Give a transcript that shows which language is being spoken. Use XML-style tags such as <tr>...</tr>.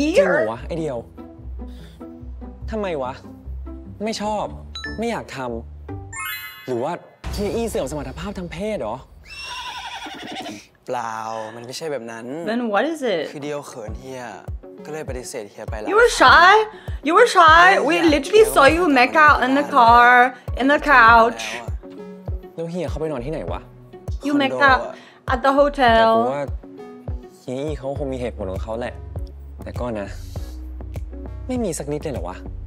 <th>จริงเหรอวะไอเดียวทำไมวะไม่ชอบไม่อยากทำหรือว่าเทียอี้เสื่อมสมรรถภาพทางเพศเหรอเปล่ามันไม่ใช่แบบนั้น</th> <en>Then what is it</en> <th>คือเดียวเขินเฮียก็เลยปฏิเสธเฮียไปแล้ว</th> <en>You were shy We literally saw you make out in the car in the couch</en> <th>แล้วเฮียเขาไปนอนที่ไหนวะ</th> <en>You make out at the hotel</en> <th>แต่ว่าเฮียอี้เขาคงมีเหตุผลของเขาแหละแต่ก็นะไม่มีสักนิดเลยเหรอวะ</th>